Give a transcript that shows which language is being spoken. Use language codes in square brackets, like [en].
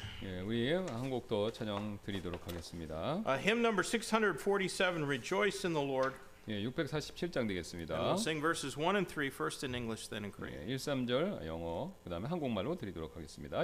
[ko] 예, 우리 한 곡 더 찬양 드리도록 하겠습니다. [en] Hymn number 647, Rejoice in the Lord. [ko] 예, 647장 되겠습니다. [en] And we'll sing verses 1 and 3, first in English, then in Korean. [ko] 예, 1, 3절 영어, 그 다음에 한국말로 드리도록 하겠습니다.